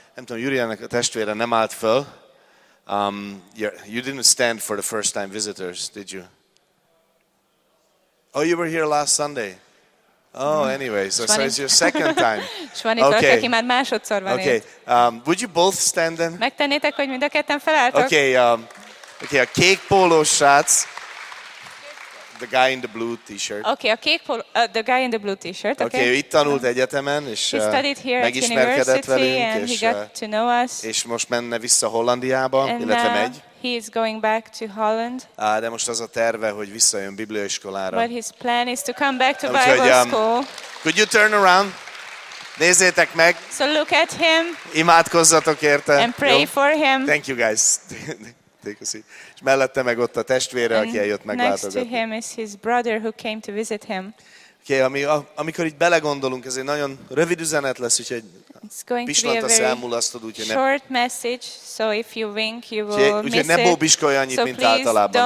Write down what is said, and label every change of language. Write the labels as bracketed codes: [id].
[hu] Nem tudom, Jurijának a testvére nem állt föl. [en] You didn't stand for the first time visitors, did you? Oh, you were here last Sunday. Oh, anyway, so it's your second time. [hu] Okay. Aki már másodszor van [en] okay. [hu] Itt. [en] Would you both stand then? [hu] Megtennétek, hogy mind a ketten felálltok? Okay, a kék pólós srác. The guy in the blue t-shirt. Okay, a kék pólós, the guy in the blue t-shirt. Okay. Okay, itt tanult egyetemen, és megismerkedett velünk, és, és most menne vissza Hollandiába, [en] and [hu] illetve megy. [en] He is going back to Holland. [hu] De most az a terve, hogy visszajön Biblióiskolára. [en] But his plan is to come back to Bible school. Could you turn around? Nézzétek meg. So look at him. [hu] Imádkozzatok érte. [en] And pray for him. Thank you guys. Take a seat. [hu] És mellette meg ott a testvére, aki eljött meglátogatni. [en] Next to him is his brother who came to visit him. [hu] Okay, amikor itt belegondolunk, ez egy nagyon rövid üzenet lesz, úgyhogy pislant a számulasztod, úgyhogy ne... [en] Short message, so if you wink, you will miss it. [hu] Úgyhogy ne bóbiskolj annyit, mint általában.